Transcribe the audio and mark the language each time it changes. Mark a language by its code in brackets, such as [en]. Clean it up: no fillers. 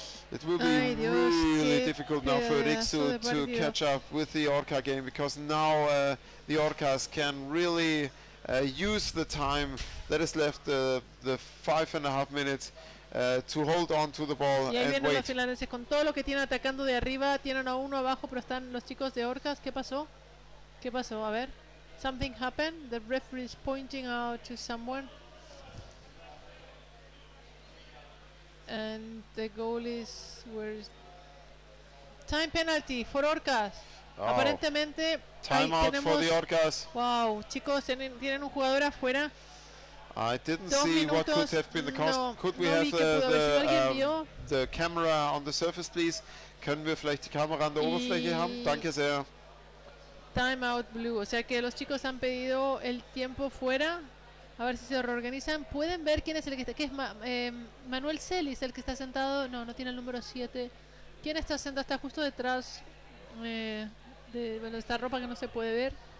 [en] It will be really difficult now for Rixu to catch up with the Orca game, because now the Orcas can really use the time that is left, the 5.5 minutes, to hold on to the ball [es] y [en] and wait. [es] Los finlandeses con todo lo que tienen atacando de arriba, tienen a uno abajo, pero están los chicos de Orcas. ¿Qué pasó? ¿Qué pasó? A ver. [en] Something happened. The referee is pointing out to someone, and the goal is where? Is time penalty for Orcas. Oh. [es] Aparentemente, [en] time out for the Orcas. [es] Wow, chicos, tienen un jugador afuera. [en] I didn't see what could have been the cause. No, could we have the camera on the surface, please? [de] Können wir vielleicht die Kamera an der Oberfläche haben? Danke sehr. [en] Time out blue, [es] o sea que los chicos han pedido el tiempo fuera, a ver si se reorganizan. Pueden ver quién es el que está, que es Manuel Celis, el que está sentado, no tiene el número 7. ¿Quién está sentado? Está justo detrás de esta ropa que no se puede ver.